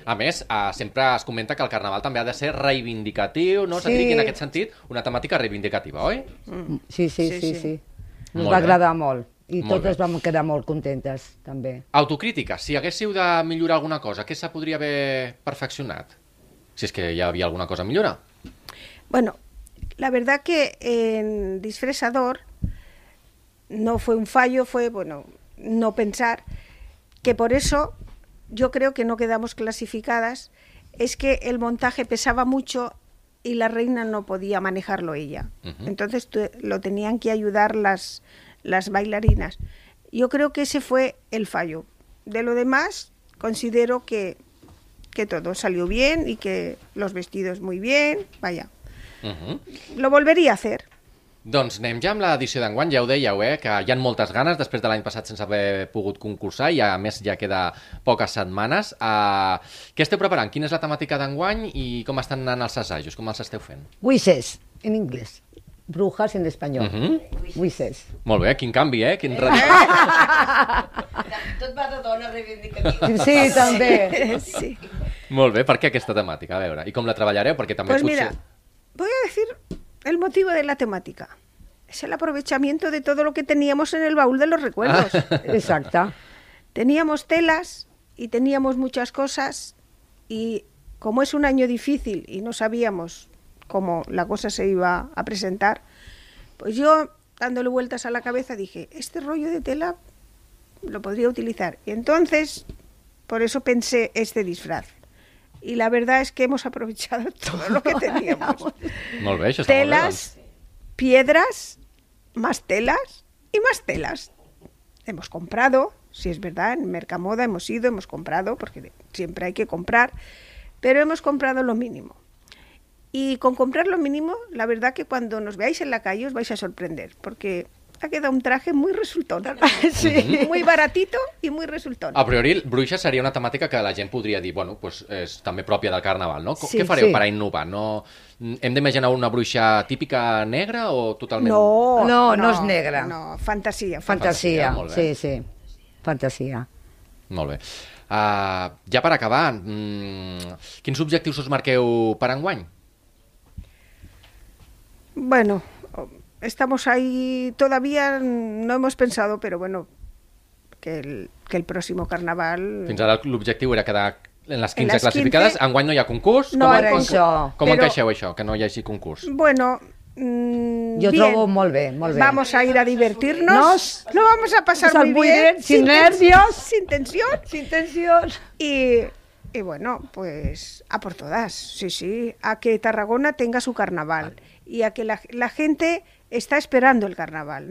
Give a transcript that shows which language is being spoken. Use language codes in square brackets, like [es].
[ca] A més, sempre es comenta que el carnaval també ha de ser reivindicatiu, no? Sí. En aquest sentit, una temàtica reivindicativa, oi? Sí. Ens va agradar molt. I totes vam quedar molt contentes, també. Autocrítica, si haguéssiu de millorar alguna cosa, què se podria haver perfeccionat? Si és que hi havia alguna cosa a millorar. [es] Bueno, la verdad que en Disfresador no fue un fallo, fue, bueno, no pensar que por eso yo creo que no quedamos clasificadas, es que el montaje pesaba mucho y la reina no podía manejarlo ella. Uh-huh. Entonces lo tenían que ayudar las bailarinas. Yo creo que ese fue el fallo. De lo demás, considero que todo salió bien y que los vestidos muy bien, vaya. Uh-huh. Lo volvería a hacer. [ca] Doncs anem ja amb l'edició d'enguany, ja ho dèieu, que hi ha moltes ganes després de l'any passat sense haver pogut concursar i a més ja queda poques setmanes. Què esteu preparant? Quina és la temàtica d'enguany i com estan anant els assajos? Com els esteu fent? Wishes, en anglès. Brujas en espanyol. Uh-huh. Wishes. Molt bé, quin canvi, eh? Quin Tot va de dona reivindicativa. Sí, també. Sí. Molt bé, per què aquesta temàtica? A veure, i com la treballareu? Perquè també [es] pues [ca] potser... [es] mira, voy a decir el motivo de la temática. Es el aprovechamiento de todo lo que teníamos en el baúl de los recuerdos. Ah. Exacta. Teníamos telas y teníamos muchas cosas y como es un año difícil y no sabíamos... como la cosa se iba a presentar, pues yo, dándole vueltas a la cabeza, dije, este rollo de tela lo podría utilizar. Y entonces, por eso pensé este disfraz. Y la verdad es que hemos aprovechado todo lo que teníamos. Muy bien, eso está telas, muy bien. Piedras, más telas y más telas. Hemos comprado, si es verdad, en Mercamoda hemos ido, hemos comprado, porque siempre hay que comprar, pero hemos comprado lo mínimo. Y con comprar lo mínimo, la verdad que cuando nos veáis en la calle os vais a sorprender, porque ha quedado un traje muy resultón. Sí. Muy baratito y muy resultón. [ca] A priori, bruixa seria una temàtica que la gent podria dir, bueno, pues és també pròpia del carnaval, no? Sí, què fareu sí. per a innovar? No, hem d'imaginar una bruixa típica negra o totalment... No, és negra. No, fantasia. Fantasia, molt bé. Sí, sí. Fantasia. Molt bé. Ja per acabar, quins objectius us marqueu per enguany? [es] Bueno, estamos ahí, todavía no hemos pensado, pero bueno, que el próximo carnaval... [ca] Fins ara l'objectiu era quedar en les 15 classificades. Enguany no hi ha concurs. No, ara això. Com encaixeu això, que no hi hagi concurs? Bueno... Jo trobo molt bé, molt bé. [es] Vamos a ir a divertirnos. No, lo vamos a pasar muy bien. Sin nervios. Sin tensión. Sin tensión. Y bueno, pues a por todas, sí, sí. A que Tarragona tenga su carnaval. Y a que la gente está esperando el carnaval.